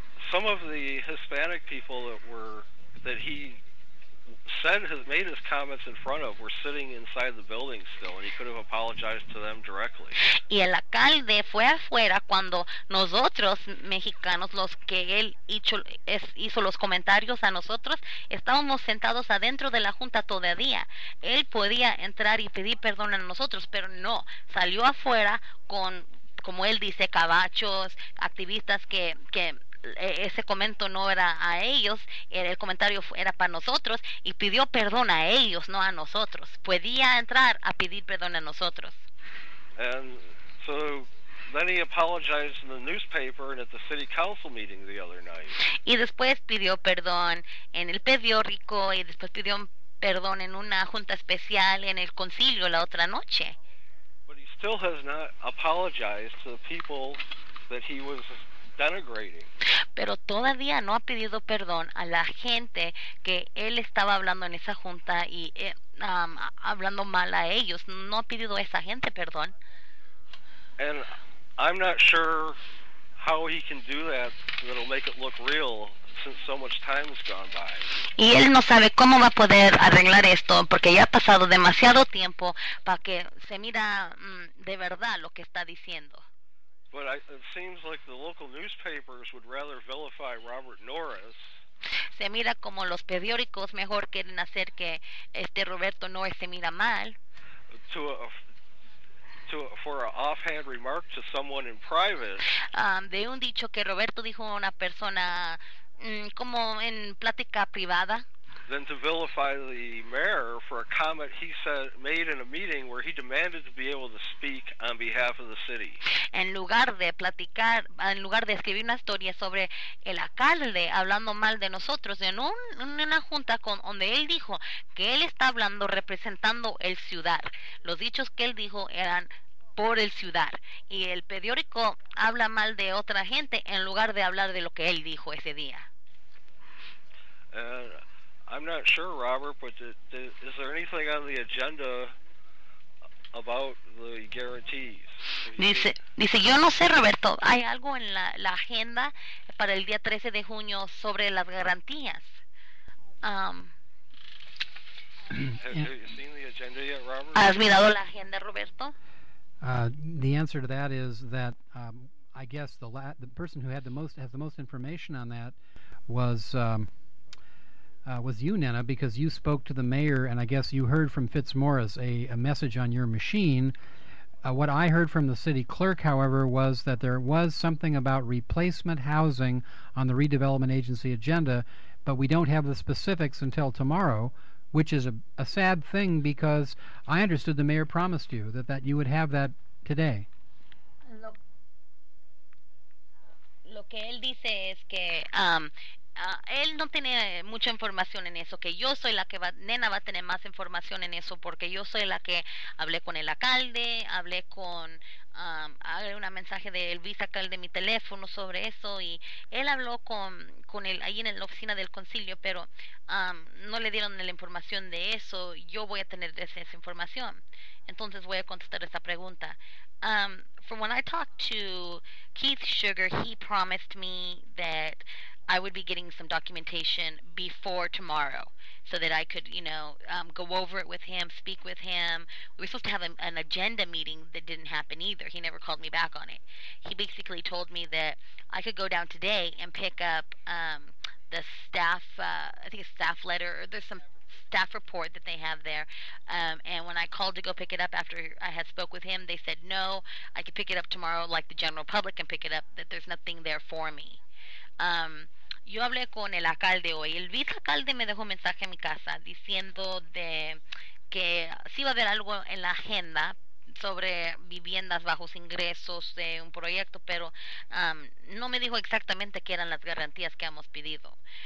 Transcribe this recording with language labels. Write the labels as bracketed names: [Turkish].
[English] Some of the Hispanic people that he said has made his comments in front of were sitting inside the building still, and he could have apologized to them directly. [Spanish] Y el alcalde fue afuera cuando nosotros mexicanos, los que él hizo los comentarios a nosotros, estábamos sentados adentro de la junta todavía. Él podía entrar y pedir perdón a nosotros, pero no, salió afuera con, como él dice, cabachos, activistas que ese comento no era a ellos, el comentario era para nosotros, y pidió perdón a ellos, no a nosotros. Podía entrar a pedir perdón a nosotros. [English] And so then he apologized in the newspaper and at the city council meeting the other night. [Spanish] Y después pidió perdón en el periódico, y después pidió perdón en una junta especial en el concilio la otra noche. [English] But he still has not apologized to the people that he was denigrating. [Spanish] pero todavía no ha pedido perdón a la gente que él estaba hablando en esa junta y hablando mal a ellos. No ha pedido a esa gente perdón. [English] And I'm not sure how he can do that that'll make it look real since so much time has gone by. [Spanish] Y él no sabe cómo va a poder arreglar esto porque ya ha pasado demasiado tiempo para que se mira de verdad lo que está diciendo. [English] But it seems like the local newspapers would rather vilify Robert Norris. [Spanish] Se mira como los periódicos mejor quieren hacer que este Roberto Norris se mira mal. [English] For an offhand remark to someone in private. [Spanish] De un dicho que Roberto dijo a una persona como en plática privada. [English] Than to vilify the mayor for a comment he said made in a meeting where he demanded to be able to speak on behalf of the city. [Spanish] En lugar de platicar, en lugar de escribir una historia sobre el alcalde hablando mal de nosotros en una junta con donde él dijo que él está hablando representando el ciudad. Los dichos que él dijo eran por el ciudad. Y el periódico habla mal de otra gente en lugar de hablar de lo que él dijo ese día. [English] I'm not sure, Robert, but is there anything on the agenda about the guarantees? [Spanish] Dice, yo no sé, Roberto, ¿hay algo en la agenda para el día 13 de junio sobre las garantías? [English] Have you seen the agenda yet, Robert? [Spanish] ¿Has mirado la agenda, Roberto? [English] The answer to that is that I guess the person who had the most has the most information on that was you, Nena, because you spoke to the mayor, and I guess you heard from Fitzmaurice a message on your machine. What I heard from the city clerk, however, was that there was something about replacement housing on the redevelopment agency agenda, but we don't have the specifics until tomorrow, which is a sad thing because I understood the mayor promised you that you would have that today. [Spanish] Lo que él dice es que él no tiene mucha información en eso, que yo soy la que Nena va a tener más información en eso, porque yo soy la que hablé con el alcalde, hablé con hablé un mensaje del vicealcalde en mi teléfono sobre eso, y él habló con él ahí en la oficina del concilio, pero no le dieron la información de eso. Yo voy a tener esa información, entonces voy a contestar esa pregunta. [English] From when I talked to Keith Sugar, he promised me that I would be getting some documentation before tomorrow so that I could, you know, go over it with him, speak with him. We were supposed to have an agenda meeting that didn't happen either. He never called me back on it. He basically told me that I could go down today and pick up the staff, I think a staff letter, or there's some staff report that they have there. And when I called to go pick it up after I had spoke with him, they said, no, I could pick it up tomorrow like the general public can pick it up, that there's nothing there for me. [Spanish] Yo hablé con el alcalde hoy. El vicealcalde me dejó un mensaje en mi casa diciendo de que sí va a haber algo en la agenda sobre viviendas bajos ingresos de un proyecto, pero no me dijo exactamente qué eran las garantías que hemos pedido.